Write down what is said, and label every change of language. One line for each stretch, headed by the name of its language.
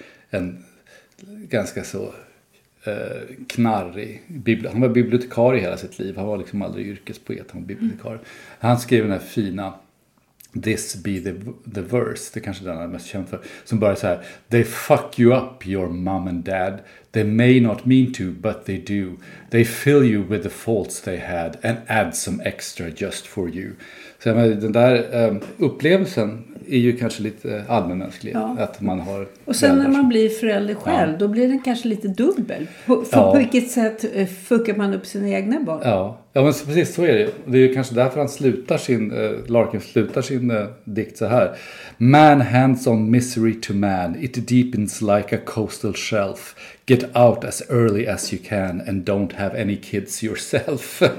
Swedish: En ganska så knarrig, han var bibliotekarie hela sitt liv. Han var liksom aldrig yrkespoet, han var bibliotekarie. Mm. Han skrev den här fina This Be the Verse, det kanske den är mest känd för, som börjar så här:
English: They fuck you up, your mom and dad. They may not mean to, but they do. They fill you with the faults they had and add some extra just for you.
Swedish: Så men, den där upplevelsen är ju kanske lite allmänmänsklig. Ja. Att man har, och sen när man blir förälder själv, då blir den kanske lite dubbel. På vilket sätt fuckar man upp sina egna barn? Ja, men precis så är det. Det är ju kanske därför han slutar sin, Larkin slutar sin dikt så här:
English: Man hands on misery to man. It deepens like a coastal shelf. Get out as early as you can and don't have any kids yourself.